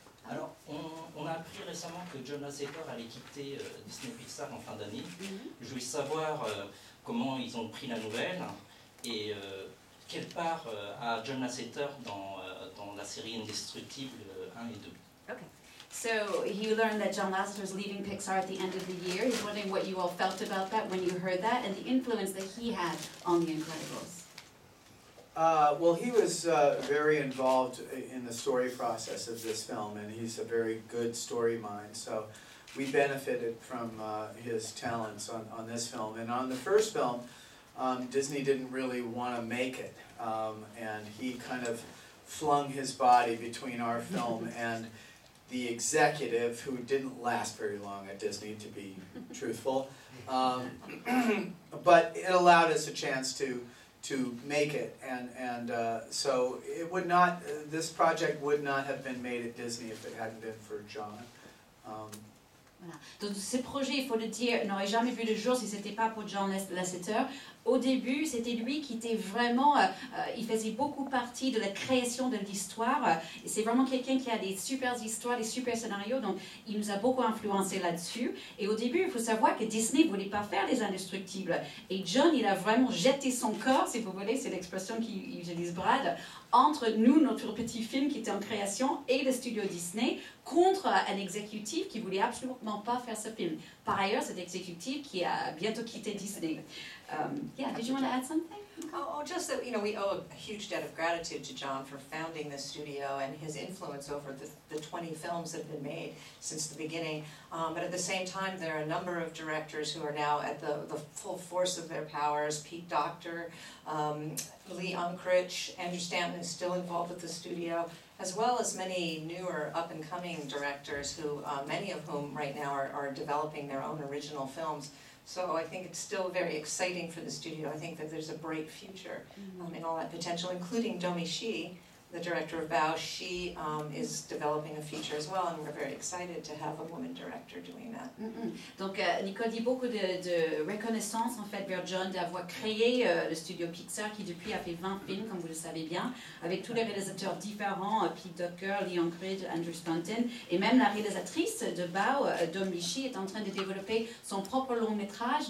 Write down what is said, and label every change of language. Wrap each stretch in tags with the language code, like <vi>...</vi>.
<fr>Alors, on a appris récemment que John Lasseter allait quitter Disney Pixar en fin d'année. Mm-hmm. Je voulais savoir comment ils ont pris la nouvelle et quelle part a John Lasseter dans la série Indestructible 1 et 2.</fr> <en>So you learned that John Lasseter is leaving Pixar at the end of the year. He's wondering what you all felt about that when you heard that and the influence that he had on The Incredibles. Well, he was very involved in the story process of this film, and he's a very good story mind. So we benefited from his talents on this film. And on the first film, Disney didn't really want to make it. And he kind of flung his body between our film and the executive, who didn't last very long at Disney, to be truthful. but it allowed us a chance to make it, and so it would not, this project would not have been made at Disney if it hadn't been for John.</en> <fr>Donc ce projet, il faut le dire, n'aurait jamais vu le jour si ce n'était pas pour John Lasseter. Au début, c'était lui qui était vraiment, il faisait beaucoup partie de la création de l'histoire. C'est vraiment quelqu'un qui a des super histoires, des super scénarios, donc il nous a beaucoup influencé là-dessus. Et au début, il faut savoir que Disney ne voulait pas faire les Indestructibles. Et John, il a vraiment jeté son corps, si vous voulez, c'est l'expression qu'il utilise Brad, entre nous, notre petit film qui était en création, et le studio Disney, contre un exécutif qui ne voulait absolument pas faire ce film. Par ailleurs, cet exécutif qui a bientôt quitté Disney.</fr> <en>Yeah, did you want to add something? Oh, just that, you know, we owe a huge debt of gratitude to John for founding this studio and his influence over the 20 films that have been made since the beginning. But at the same time, there are a number of directors who are now at the full force of their powers. Pete Docter, Lee Unkrich, Andrew Stanton is still involved with the studio, as well as many newer up-and-coming directors who, many of whom right now are developing their own original films. So I think it's still very exciting for the studio. I think that there's a bright future in all that potential, including Domi Shi, the director of Bao. She is developing a feature as well, and we're very excited to have a woman director doing that. Mm-hmm.</en> <fr>Donc Nicole dit beaucoup de reconnaissance en fait vers John d'avoir créé le studio Pixar qui depuis a fait 20 films, comme vous le savez bien, avec tous les réalisateurs différents, Pete Docter, Lee Unkrich, Andrew Stanton, et même la réalisatrice de Bao, Domi Shi, est en train de développer son propre long métrage.</fr>